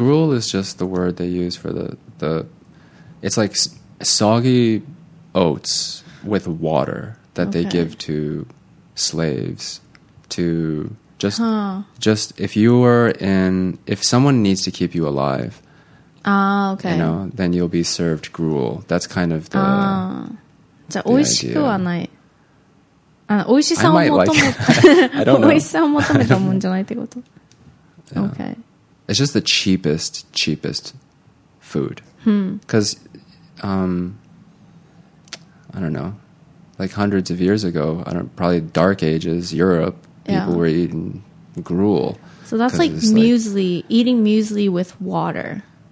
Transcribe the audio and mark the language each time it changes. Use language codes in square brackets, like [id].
[en] Gruel is just the word they use for the it's like soggy oats with water that they give to slaves to just just if you are in if someone needs to keep you alive you know then you'll be served gruel that's kind of the [ja] じゃあ美味しくはない美味しさを求め、 [en] like、I don't know [ja] 美味しさを求めたもんじゃないってこと okay [en] it's just the cheapest food because I don't know like hundreds of years ago I don't probably dark ages Europe people were eating gruel so that's like muesli like, eating muesli with water